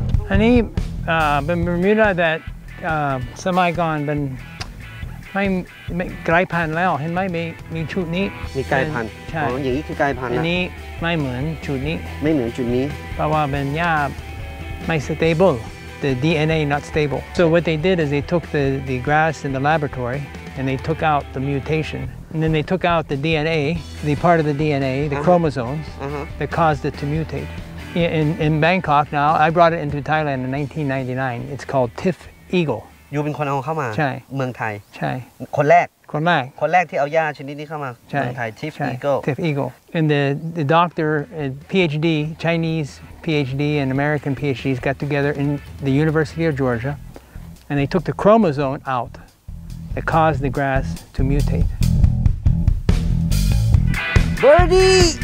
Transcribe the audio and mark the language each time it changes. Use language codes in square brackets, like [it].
[th] อันนี้เป็น Bermuda that สมัยก่อนเป็นไม่ไกลพันแล้วเห็นไหมมีชุดนี้มีไกลพัน ใช่ อย่างนี้คือไกลพัน อันนี้ไม่เหมือนชุดนี้ไม่เหมือนชุดนี้ เพราะว่าเป็นหญ้าไม่ [en] stable the DNA not stable so what they did is they took the grass in the laboratory and they took out the mutation And then they took out the DNA, the part of the DNA, the uh-huh. chromosomes uh-huh. that caused it to mutate. In Bangkok now, I brought it into Thailand in 1999. It's called Tiff Eagle. [th] อยู่เป็นคนเอาเข้ามา ใช่ เมืองไทย ใช่คนแรก คนแรก คนแรกที่เอาหญ้าชนิดนี้เข้ามาเมื องไทย Tiff Eagle [en] Tiff Eagle and the doctor a PhD Chinese PhD and American PhDs got together in the University of Georgia and they took the chromosome out that caused the grass to mutate Birdie